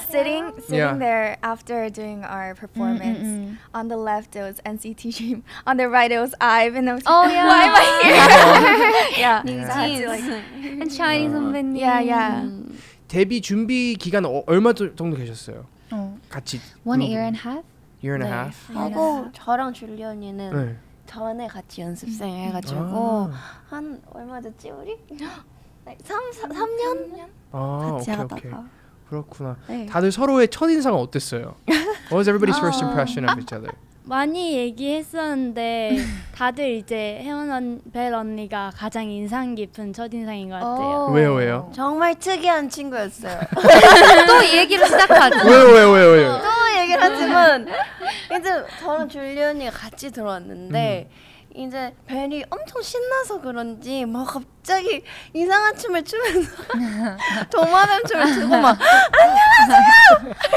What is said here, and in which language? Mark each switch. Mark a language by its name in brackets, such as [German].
[English] when I was sitting there after doing our performance. Mm-hmm. On the left, it was NCT Dream. On the right, it was IVE. And I was like, why am I here? Yeah. And Chinese 선배님. Yeah, yeah. [Korean] 데뷔 준비 기간 얼마 정도 계셨어요? 같이. [English] One year and a half. [Korean] 하고 저랑 줄리언니는 전에 같이 연습생 해가지고 한 얼마 됐지 우리? 3년? 그렇구나. 다들 서로의 첫인상은 어땠어요? [English] What was everybody's first impression of each other? [Korean] 많이 얘기했었는데 다들 이제 혜원 벨 언니가 가장 인상 깊은 첫인상인 것 같아요. 왜요? 왜요? 정말 특이한 친구였어요. 또 얘기를 시작하죠. 왜요? 또 얘기를 하지만 이제 저랑 줄리 언니가 같이 들어왔는데 이제 벨이 엄청 신나서 그런지 막 갑자기 이상한 춤을 추면서 도마뱀 춤을 추고 막 안녕하세요!